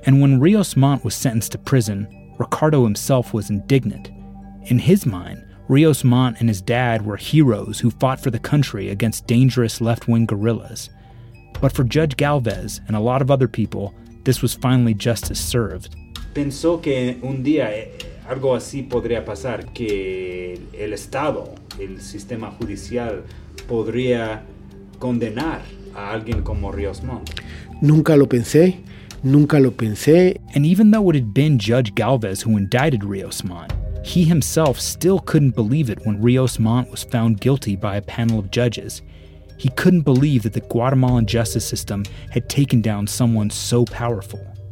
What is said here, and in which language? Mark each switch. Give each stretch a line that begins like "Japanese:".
English: And when Ríos Montt was sentenced to prison, Ricardo himself was indignant. In his mind, Ríos Montt and his dad were heroes who fought for the country against dangerous left-wing guerrillas. But for Judge Galvez and a lot of other people, this was finally justice served.
Spanish: Pensó que un día algo así podría pasar, que el Estado, el sistema judicial, podría condenar a alguien como Ríos Montt. Nunca lo pensé, nunca lo pensé.
English: And even though it had been Judge Galvez who indicted Ríos Montt, he himself still couldn't believe it when Ríos Montt was found guilty by a panel of judges. He couldn't believe that the Guatemalan justice system had taken down someone so powerful.